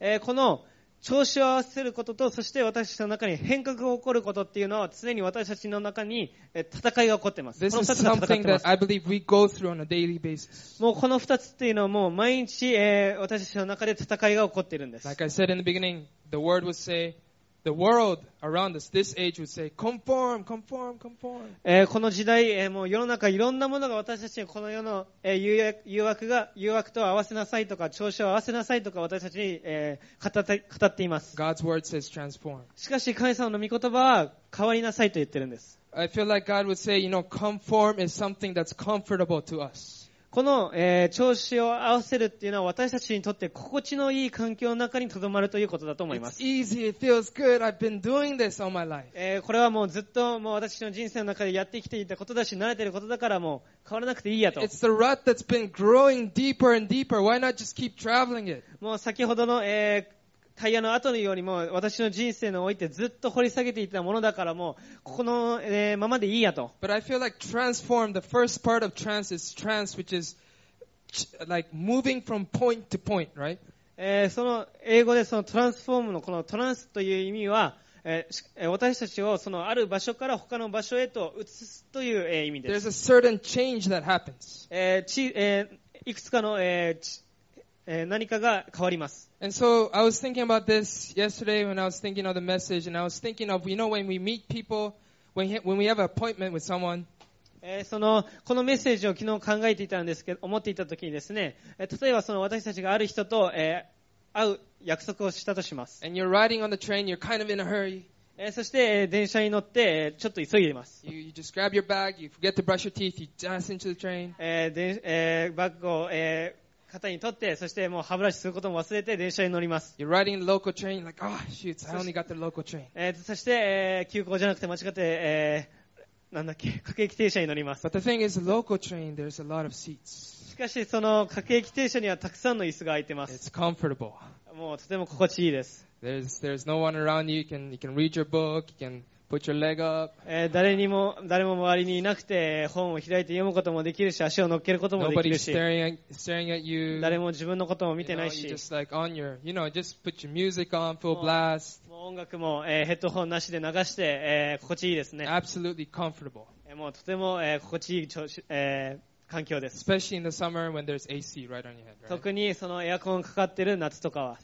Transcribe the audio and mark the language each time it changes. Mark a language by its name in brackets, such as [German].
[Japanese] この調子を合わせることと、そして私たちの中に変革が起こることっていうのは、常に私たちの中に戦いが起こっています。 [English] This is something that I believe we go through on a daily basis. [Japanese] もうこの二つっていうのはもう毎日、私たちの中で戦いが起こっているんです。 [English] Like I said in the beginning, the word would say, the world around us, this age would say, conform, conform, conform. [Japanese] この時代、もう世の中いろんなものが私たちにこの世の、誘惑と合わせなさいとか、調子を合わせなさいとか私たちに、語っています。 [English] God's word says transform. [Japanese] しかし神様の御言葉は変わりなさいと言ってるんです。 [English] I feel like God would say, you know, conform is something that's comfortable to us. [Japanese] この、調子を合わせるっていうのは私たちにとって心地のいい環境の中に留まるということだと思います。 [English] It's easy, it feels good. I've been doing this all my life. [Japanese] これはもうずっともう私の人生の中でやってきていたことだし慣れていることだからもう変わらなくていいやと。 [English] It's the rut that's been growing deeper and deeper. Why not just keep traveling it? [Japanese] もう先ほどの、タイヤの後のようにも私の人生においてずっと掘り下げていたものだからもうここの、ままでいいやと。 [English] But I feel like transform, the first part of trans is trans, which is like moving from point to point, right? [Japanese] その英語でそのトランスフォームのこのトランスという意味は、私たちをそのある場所から他の場所へと移すという、意味です。 [English] There's a certain change that happens. [Japanese] いくつかの、何かが変わります。 [English] And so I was thinking about this yesterday when I was thinking of the message, and I was thinking of, you know, when we meet people, when we have an appointment with someone. [Japanese] そのこのメッセージを昨日考えていたんですけど、思っていた時にですね、例えばその私たちがある人と、会う約束をしたとします。 [English] And you're riding on the train, you're kind of in a hurry. [Japanese] そして、電車に乗って、ちょっと急いでいます。 [English] You just grab your bag, you forget to brush your teeth, you dash into the train. [Japanese] バッグを、肩に取って、そしてもう歯ブラシすることも忘れて電車に乗ります。 [English] You're riding the local train, like, oh, shoot, I only got the local train. [Japanese] そして、急行じゃなくて間違って、なんだっけ、各駅停車に乗ります。 [English] But the thing is, local train, there's a lot of seats. [Japanese] しかし、その各駅停車にはたくさんの椅子が空いてます。 [English] It's comfortable. [Japanese] もうとても心地いいです。 [English] There's no one around you, you can read your book, you can Put your leg up. [Japanese] 誰も周りにいなくて本を開いて読むこともできるし、足を乗っけることもできるし、 [English] staring at you. [Japanese] 誰も自分のことも見てないし、 [English] just like on your, you know, just put your music on full blast. [Japanese] もう音楽も、ヘッドホンなしで流して、心地いいですね。 [English] Absolutely comfortable. [Japanese] もうとても、心地いい、環境です。 [English] Especially in the summer when there's AC right on your head, right? [Japanese] 特にそのエアコンかかってる夏とかは、ね、